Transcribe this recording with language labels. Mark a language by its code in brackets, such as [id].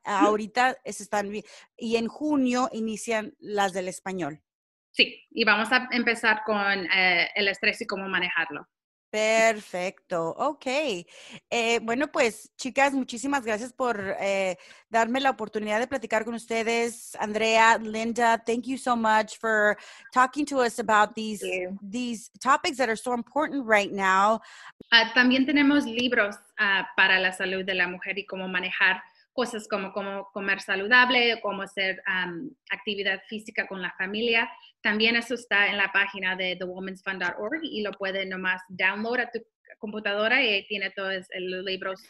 [es] Ahorita están, y en junio inician las del español. Sí, y vamos a empezar con el estrés y cómo manejarlo. Perfecto, ok. Bueno, pues, chicas, muchísimas gracias por darme la oportunidad de platicar con ustedes. [en] Andrea, Linda, thank you so much for talking to us about these topics that are so important right now. [es] También tenemos libros para la salud de la mujer y cómo manejar cosas como cómo comer saludable, cómo hacer actividad física con la familia. También eso está en la página de thewomensfund.org y lo puede nomás download a tu computadora y tiene todos los libros.